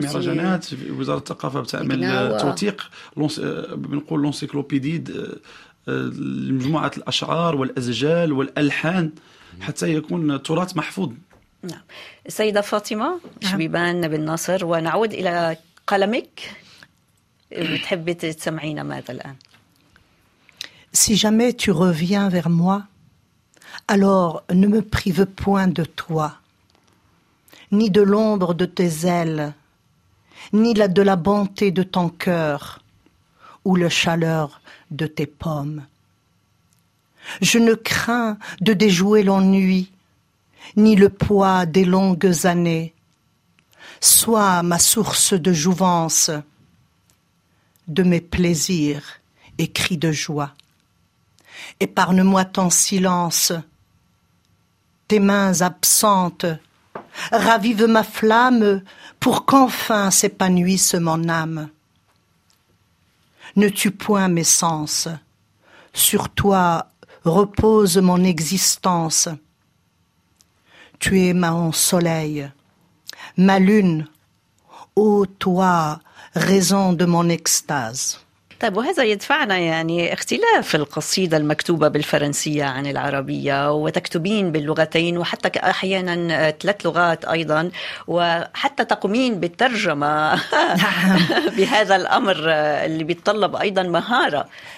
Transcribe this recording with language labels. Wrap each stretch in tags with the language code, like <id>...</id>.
<ar>في مهرجانات، في وزارة الثقافة بتعمل توثيق بنقول لونسيكلوبيدي لمجموعة الأشعار والأزجال والألحان حتى يكون التراث محفوظ. نعم. السيدة فاطمة شبيبان بن ناصر، ونعود إلى قلمك، بتحب تسمعينا ماذا الآن؟</ar> <fr>Si jamais tu reviens vers moi, alors ne me prive point de toi, ni de l'ombre de tes ailes, ni de la bonté de ton cœur, ou la chaleur de tes pommes. Je ne crains de déjouer l'ennui, ni le poids des longues années. Sois ma source de jouvence, de mes plaisirs et cris de joie. Épargne-moi ton silence, tes mains absentes. Ravive ma flamme pour qu'enfin s'épanouisse mon âme. Ne tue point mes sens, sur toi repose mon existence. Tu es mon soleil, ma lune, ô toi, raison de mon extase.</fr> <ar>طيب، وهذا يدفعنا يعني اختلاف القصيدة المكتوبة بالفرنسية عن العربية، وتكتبين باللغتين وحتى أحيانا ثلاث لغات أيضا، وحتى تقومين بالترجمة. بهذا الأمر اللي بيتطلب أيضا مهارة.</ar>